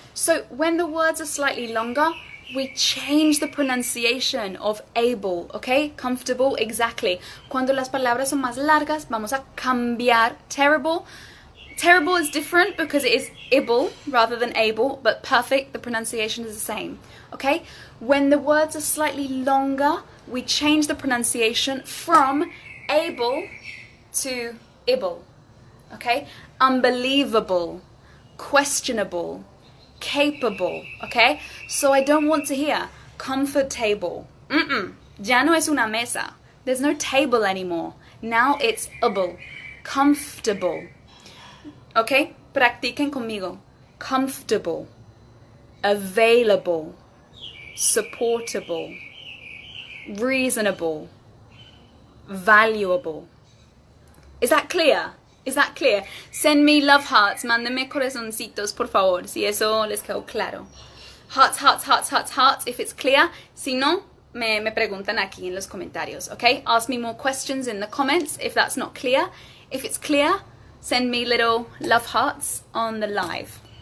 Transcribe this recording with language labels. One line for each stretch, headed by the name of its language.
English: So when the words are slightly longer, we change the pronunciation of able. Okay? Comfortable.
Spanish: Exactly. Cuando las palabras son más largas, vamos a cambiar. Terrible.
English: Terrible is different because it is able rather than able, but perfect, the pronunciation is the same. Okay? When the words are slightly longer, we change the pronunciation from able to ible. Okay? Unbelievable, questionable, capable. Okay? So I don't want to hear comfortable. Mm-mm.
Spanish: Ya no es una mesa.
English: There's no table anymore. Now it's able. Comfortable. Okay?
Spanish: Practiquen conmigo.
English: Comfortable. Available. Supportable. Reasonable. Valuable. Is that clear? Is that clear? Send me love hearts.
Spanish: Mándenme corazoncitos, por favor. Si eso les quedó claro.
English: Hearts, hearts, hearts, hearts, hearts. If it's clear.
Spanish: Si no, me preguntan aquí en los comentarios.
English: Okay? Ask me more questions in the comments if that's not clear. If it's clear, send me little love hearts on the live.